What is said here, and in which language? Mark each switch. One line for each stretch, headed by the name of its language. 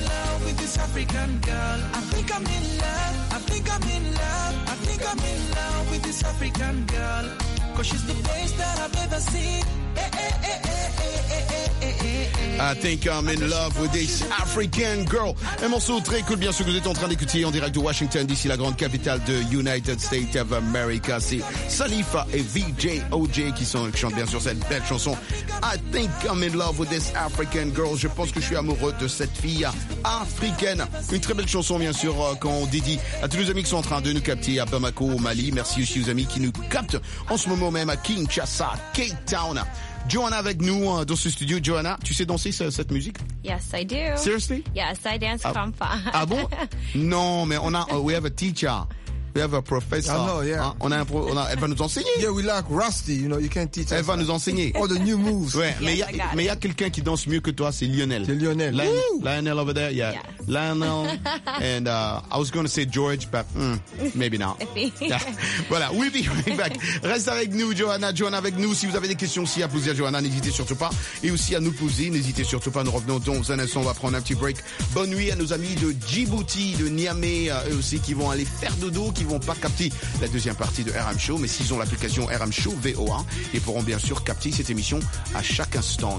English: I think I'm in love with this African girl. I think I'm in love, I think I'm in love. I think I'm in love with this African girl. Cause she's the face that I've ever seen. Eh, eh, eh, eh, eh, eh, eh, eh. I think I'm in love with this African girl.
French: Un morceau très cool, bien sûr, que vous êtes en train d'écouter en direct de Washington, d'ici la grande capitale de United States of America. C'est Salifa et VJ OJ qui chantent bien sûr cette belle chanson.
English: I think I'm in love with this African girl.
French: Je pense que je suis amoureux de cette fille africaine. Une très belle chanson, bien sûr, quand on dédie à tous les amis qui sont en train de nous capter à Bamako, au Mali. Merci aussi aux amis qui nous captent en ce moment même à Kinshasa, Cape Town. Joanna avec nous dans ce studio. Joanna, tu sais danser cette musique?
English: Yes, I do. Seriously? Yes, I dance kompa.
French: Ah bon? Non, mais on a,
English: we have a teacher. We have a professor. I know, yeah. Hein?
French: Elle va nous enseigner.
English: Yeah, we like Rusty, you know, you can't teach
French: elle
English: us.
French: Elle va nous enseigner.
English: All the new moves.
French: Ouais, yes, mais il y a quelqu'un qui danse mieux que toi, c'est Lionel. C'est Lionel.
English: Lionel over there, yeah. Yes. Lionel. And I was going to say George, but maybe not.
French: Voilà,
English: we'll be right back.
French: Reste avec nous, Joanna. Joanna avec nous. Si vous avez des questions aussi à poser à Joanna, n'hésitez surtout pas. Et aussi à nous poser, n'hésitez surtout pas. Nous revenons dans un instant, on va prendre un petit break. Bonne nuit à nos amis de Djibouti, de Niamey, eux aussi qui vont aller faire dodo, qui vont pas capter la deuxième partie de RM Show, mais s'ils ont l'application RM Show VOA, ils pourront bien sûr capter cette émission à chaque instant.